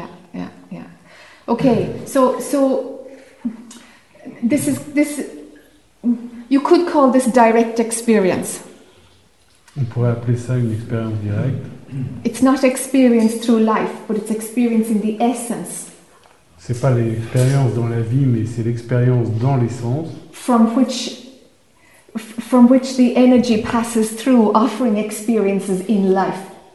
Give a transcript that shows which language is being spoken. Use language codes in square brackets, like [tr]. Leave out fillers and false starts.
[en] lost. Yeah. Okay, so this is this. You could call this direct experience. [fr] On pourrait appeler ça une expérience directe. [en] It's not experience through life, but it's experience in the essence. [fr] C'est pas l'expérience dans la vie, mais c'est l'expérience dans l'essence. [en] From which the energy passes through, offering experiences in life.